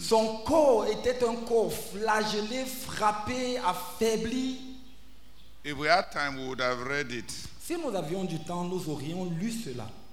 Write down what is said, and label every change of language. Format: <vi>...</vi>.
<fr>Son corps était un corps flagellé, frappé, affaibli.</fr> <en>If we had time, we would have read it.</en> <fr>Si nous avions du temps, nous aurions lu cela.</fr>